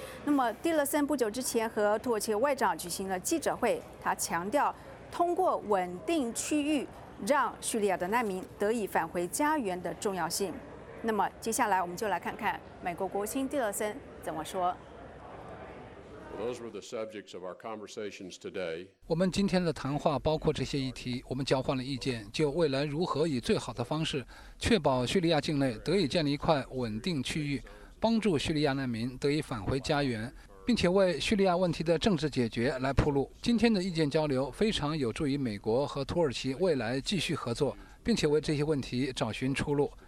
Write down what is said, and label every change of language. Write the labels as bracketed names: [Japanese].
[Chinese] 那么，蒂勒森不久之前和土耳其外长举行了记者会，他强调，通过稳定区域，让叙利亚的难民得以返回家园的重要性。那么接下来我们就来看看美国国务卿蒂勒森怎么说。 [English] Those were the subjects of our conversations today. [Chinese] 我们今天的谈话包括这些议题，我们交换了意见，就未来如何以最好的方式确保叙利亚境内得以建立一块稳定区域，帮助叙利亚难民得以返回家园，并且为叙利亚问题的政治解决来铺路。今天的意见交流非常有助于美国和土耳其未来继续合作，并且为这些问题找寻出路。